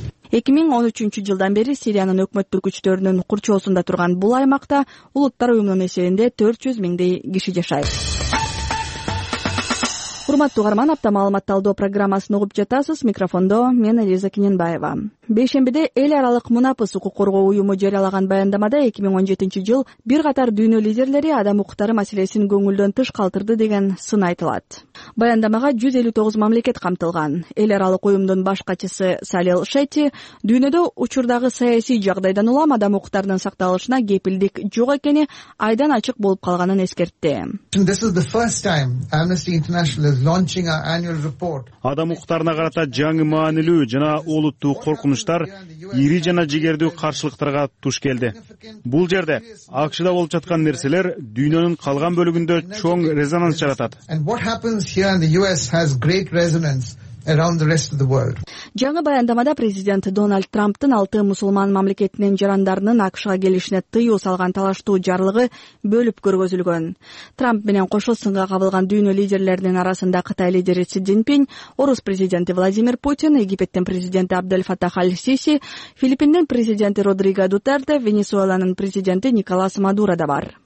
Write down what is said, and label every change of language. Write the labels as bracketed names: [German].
[Kyrgyz] 2013-жылдан бери Сириянын өкмөттүк күчтөрүнүн курчоосунда турган бул аймакта Улуттар уюмунун эсебинде 400 000 киши жашайт. Урматтуу угарман, апта маалымат талдоо программасын угуп жатасыз. Микрофондо мен Элиза Кененбаева. Бейшембиде эл аралык мунапыс укук коргоо уюму жарыялаган баяндамада 2017 жыл бир катар дүйнө лидерлери адам укуктары маселесин көңүлдөн тыш калтырды деген сын айтылат. Баяндамага 159 мамлекет камтылган. Эл аралык уюмдун баш катчысы Салил Шети дүйнөдө учурдагы саясий жагдайдан улам адам укуктарынын сакталышына кепилдик жок экени айдан ачык болуп калганын эскертти. [English] This is the first time Amnesty International is launching our annual report. [Kyrgyz] Адам укуктарына карата жаңы маанилүү жана улуттуу коркунучтар ири жана жигердүү каршылыктарга туш келди. Бул жерде АКШда болуп жаткан нерселер дүйнөнүн калган бөлүгүндө чоң резонанс жаратат. [English] And what happens here in the US has great resonance around the rest of the world. [Kyrgyz] Жаңы баяндамада президент Дональд Трамптын 6 мусулман мамлекетинин жарандарынын АКШга келишине тыюу салган талаштуу жарлыгы бөлүп көргөзүлгөн. Трамп менен кошо сынга кабылган дүйнө лидерлеринин арасында Кытай лидери Си Цзиньпин, Орус президенти Владимир Путин, Египеттин президенти Абдель Фатах Аль-Сиси, Филиппиндин президенти Родриго Дутерте, Венесуэланын президенти Николас Мадуро да бар.